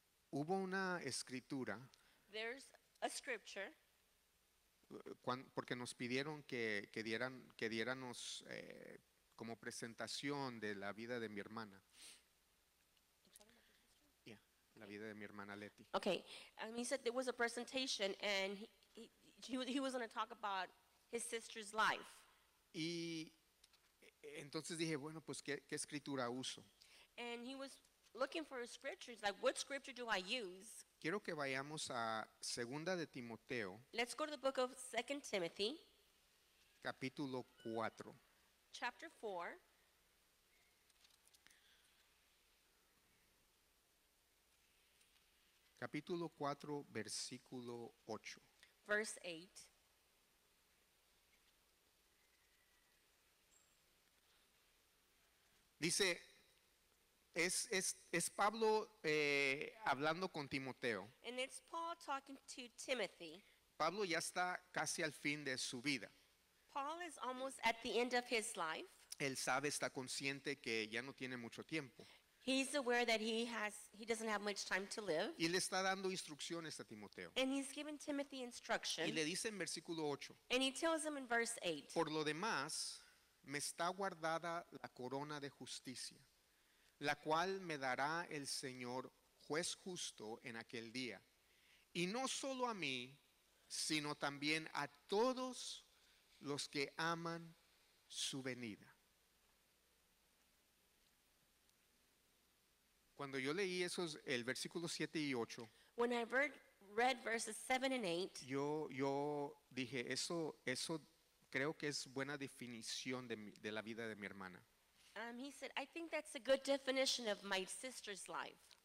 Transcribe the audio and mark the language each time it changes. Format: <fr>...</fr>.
<es>Hubo una escritura.</es> <en>There's a scripture.</en> <es>Porque nos pidieron que diéramos como presentación de la vida de mi hermana. Yeah, la vida de mi hermana Leti.</es> <en>Okay, he said there was a presentation and he was going to talk about his sister's life.</en> <es>Y Entonces dije, bueno, pues ¿qué escritura uso?</es> <en>And he was looking for a scripture. He's like, what scripture do I use?</en> <es>Quiero que vayamos a Segunda de Timoteo.</es> <en>Let's go to the book of 2 Timothy.</en> <es>Capítulo 4.</es> <en>Chapter 4.</en> <es>Capítulo 4, versículo 8.</es> <en>Verse 8.</en> <es>Dice, es Pablo hablando con Timoteo.</es> <en>And it's Paul talking to Timothy.</en> <es>Pablo ya está casi al fin de su vida.</es> <en>Paul is almost at the end of his life.</en> <es>Él sabe, está consciente que ya no tiene mucho tiempo.</es> <en>He's aware that he doesn't have much time to live.</en> <es>Y le está dando instrucciones a Timoteo.</es> <en>And he's given Timothy instruction.</en> <es>Y le dice en versículo 8.</es> <en>And he tells him in verse 8.</en> <es>Por lo demás, me está guardada la corona de justicia, la cual me dará el Señor juez justo en aquel día. Y no solo a mí, sino también a todos los que aman su venida. Cuando yo leí esos, el versículo 7 y 8,</es> <en>when I read verses 7 and 8,</en> <es>yo dije, eso creo que es buena definición de la vida de mi hermana.</es> <en>He said, I think that's a good definition of my sister's life.</en>